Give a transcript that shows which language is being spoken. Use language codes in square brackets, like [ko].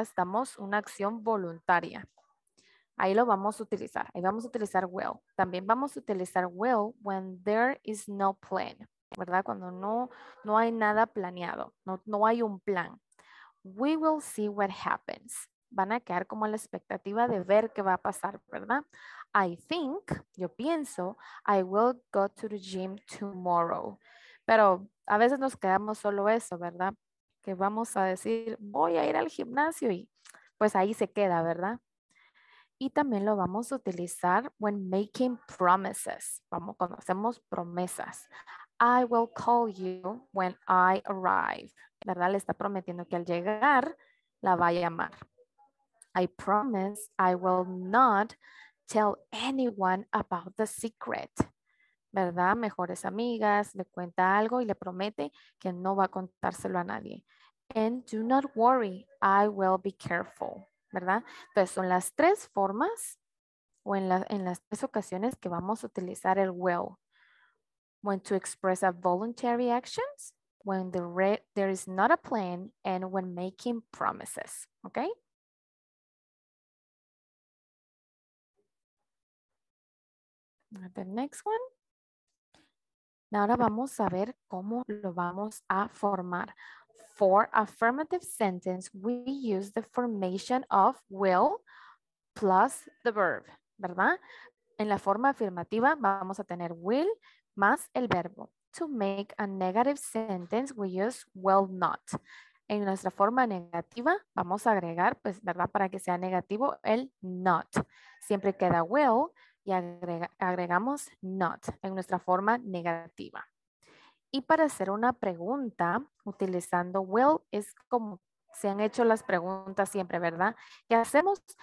[es] Estamos en una acción voluntaria. Ahí lo vamos a utilizar. Ahí vamos a utilizar will. También vamos a utilizar will [en] when there is no plan. [es] ¿Verdad? Cuando no hay nada planeado. No hay un plan. [en] We will see what happens. [es] Van a quedar como la expectativa de ver qué va a pasar, ¿verdad? [en] I think, [es] yo pienso, [en] I will go to the gym tomorrow. [es] Pero a veces nos quedamos solo eso, ¿verdad? Que vamos a decir, voy a ir al gimnasio y pues ahí se queda, ¿verdad? Y también lo vamos a utilizar [en] when making promises. [es] Vamos, cuando hacemos promesas. [en] I will call you when I arrive. ¿Verdad? [es] Le está prometiendo que al llegar la va a llamar. [en] I promise I will not tell anyone about the secret. [es] ¿Verdad? Mejores amigas, le cuenta algo y le promete que no va a contárselo a nadie. [en] And do not worry, I will be careful. [es] ¿Verdad? Entonces son las tres formas o en las tres ocasiones que vamos a utilizar el will. [en] When to express a voluntary actions, when there is not a plan, and when making promises. ¿Ok? The next one. [es] Ahora vamos a ver cómo lo vamos a formar. [en] For affirmative sentence, we use the formation of will plus the verb, ¿verdad? [es] En la forma afirmativa vamos a tener will más el verbo. [en] To make a negative sentence, we use will not. [es] En nuestra forma negativa vamos a agregar, pues, ¿verdad? Para que sea negativo, el not. Siempre queda will. Y agregamos not en nuestra forma negativa. Y para hacer una pregunta, utilizando will, es como se han hecho las preguntas siempre, ¿verdad? ¿Qué hacemos?